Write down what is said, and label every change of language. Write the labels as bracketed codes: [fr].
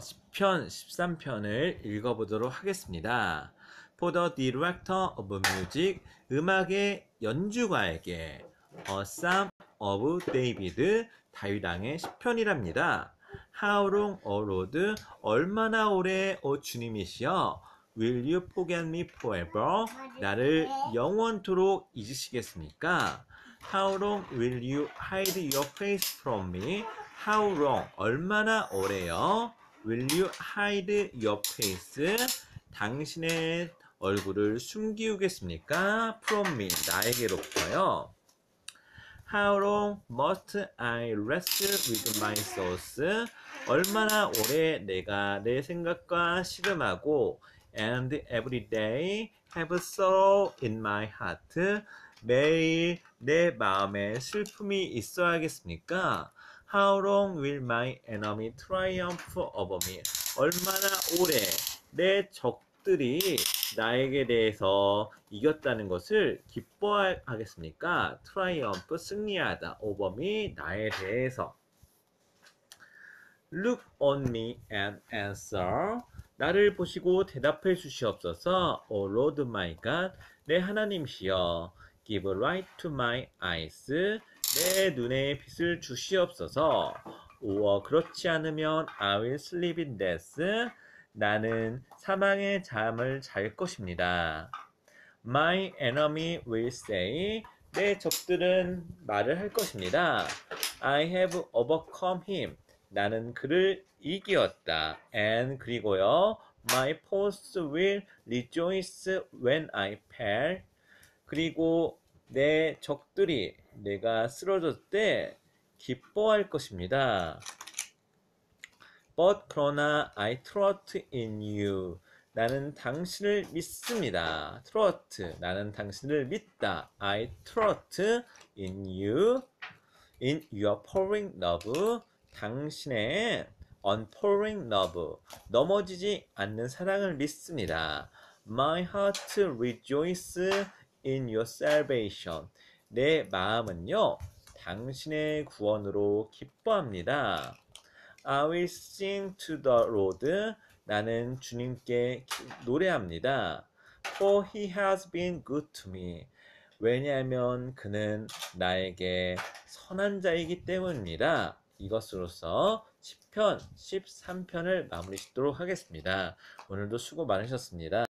[ko] 10편, 13편을 읽어보도록 하겠습니다. [en] For the director of music, [ko] 음악의 연주가에게 [en] A Psalm of David, [ko] 다윗왕의 10편이랍니다. [en] How long, O Lord? [ko] 얼마나 오래, 오 주님이시여? [en] Will you forget me forever? [ko] 나를 영원토록 잊으시겠습니까? [en] How long will you hide your face from me? How long? [ko] 얼마나 오래요? [en] Will you hide your face? [ko] 당신의 얼굴을 숨기우겠습니까? [en] From me, [ko] 나에게로부터요. [en] How long must I wrestle with my thoughts? [ko] 얼마나 오래 내가 내 생각과 씨름하고 [en] and every day have a sorrow in my heart? [ko] 매일 내 마음에 슬픔이 있어야겠습니까? [en] How long will my enemy triumph over me? [ko] 얼마나 오래 내 적들이 나에게 대해서 이겼다는 것을 기뻐하겠습니까? [en] Triumph, [ko] 승리하다, [en] over me, [ko] 나에 대해서. [en] Look on me and answer. [ko] 나를 보시고 대답해 주시옵소서. [en] O Lord my God, [ko] 내 하나님이시여. [en] Give light to my eyes. [ko] 내 눈에 빛을 주시옵소서. [en] 오어 [ko] 그렇지 않으면 [en] I will sleep in death. [ko] 나는 사망의 잠을 잘 것입니다. [en] My enemy will say, [ko] 내 적들은 말을 할 것입니다. [en] I have overcome him. [ko] 나는 그를 이기었다. [en] And [ko] 그리고요, [en] my foes will rejoice when I fall. [ko] 그리고 내 적들이 내가 쓰러졌을 때 기뻐할 것입니다. [en] But [ko] 그러나 [en] I trust in you. [ko] 나는 당신을 믿습니다. Trust. 나는 당신을 믿다. [en] I trust in you. In your falling love. 당신의 unfailing love. [ko] 넘어지지 않는 사랑을 믿습니다. [en] My heart rejoices in your salvation. [ko] 내 마음은요, 당신의 구원으로 기뻐합니다. [en] I will sing to the Lord. [ko] 나는 주님께 노래합니다. [en] For he has been good to me. [ko] 왜냐하면 그는 나에게 선한 자이기 때문입니다. 이것으로서 10편, 13편을 마무리 짓도록 하겠습니다. 오늘도 수고 많으셨습니다.